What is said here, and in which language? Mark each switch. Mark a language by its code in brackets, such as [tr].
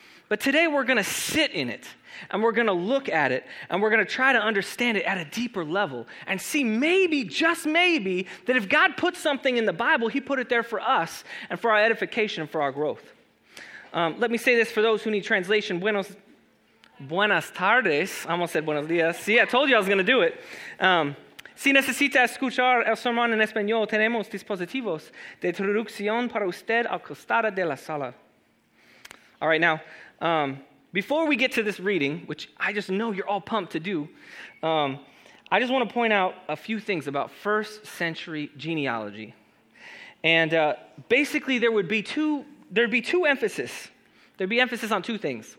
[en] But today we're going to sit in it, and we're going to look at it, and we're going to try to understand it at a deeper level and see maybe, just maybe, that if God put something in the Bible, he put it there for us and for our edification and for our growth. Let me say this for those who need translation. [es] Buenas tardes. [en] I almost said [es] buenos días. [en] See, I told you I was going to do it. [es] Si necesita escuchar el sermón en español, tenemos dispositivos de traducción para usted al costado de la sala. [en] All right, now, before we get to this reading, which I just know you're all pumped to do, I just want to point out a few things about first century genealogy. And basically, there'd be emphasis on two things.